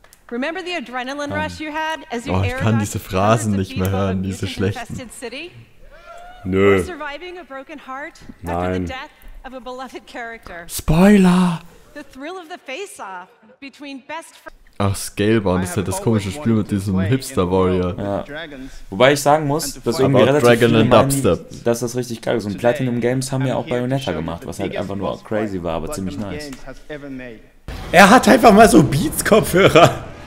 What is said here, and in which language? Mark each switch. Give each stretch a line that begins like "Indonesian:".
English: Remember the adrenaline rush you had as you
German: ich kann diese Phrasen nicht mehr hören, diese schlechten. Nö.
English: Surviving a broken heart after the death of a beloved character.
German: Spoiler.
English: The thrill of the face-off between best friends.
German: Ach, Scalebound ist halt das komische Spiel mit diesem Hipster-Warrior. Ja. Wobei ich sagen muss, dass irgendwie relativ
English: Dragon and Dubstep.
German: Dass das richtig geil ist. Und Platinum Games haben ja auch Bayonetta gemacht, was halt einfach nur crazy war, aber ziemlich nice. Er hat einfach mal so Beats-Kopfhörer.